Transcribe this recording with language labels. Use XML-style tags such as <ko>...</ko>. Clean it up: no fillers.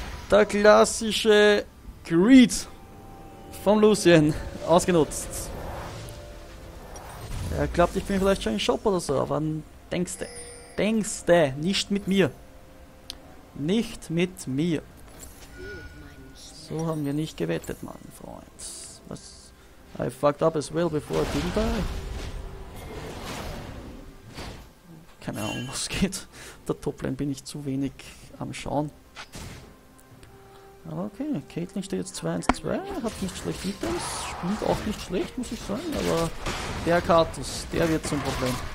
<de>Der klassische Greed von Lucian ausgenutzt. Er glaubt, ich bin vielleicht schon ein Shop oder so, aber denkste. Denkste, nicht mit mir. Nicht mit mir. So haben wir nicht gewettet, mein Freund. Was?</de> <en>I fucked up as well before I didn't die.</en> <de>Keine Ahnung, was geht. Der Toplane bin ich zu wenig am Schauen. Aber okay, Caitlyn steht jetzt 2-1-2, hat nicht schlecht Items, spielt auch nicht schlecht, muss ich sagen, aber der Kaptus, der wird zum Problem.</de>